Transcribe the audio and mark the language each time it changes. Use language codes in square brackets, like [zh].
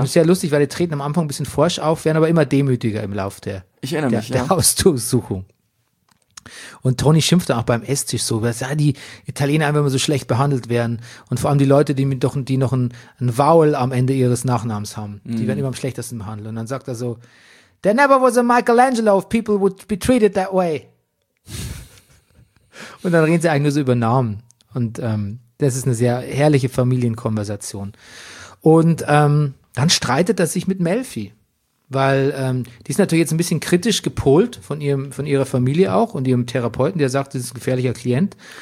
[de] Ist ja lustig, weil die treten am Anfang ein bisschen forsch auf, werden aber immer demütiger im Lauf der, ich erinnere der, mich, der ja. Hausdurchsuchung. Und Tony schimpft dann auch beim Esstisch so, dass ja die Italiener einfach immer so schlecht behandelt werden. Und vor allem die Leute, die noch ein Vowel am Ende ihres Nachnamens haben, die werden immer am schlechtesten behandelt. Und dann sagt er so, [en] there never was a Michelangelo if people would be treated that way. [de] Und dann reden sie eigentlich nur so über Namen. Und das ist eine sehr herrliche Familienkonversation. Und dann streitet er sich mit Melfi. Weil die ist natürlich jetzt ein bisschen kritisch gepolt von ihrer Familie auch und ihrem Therapeuten, der sagt, das ist ein gefährlicher Klient.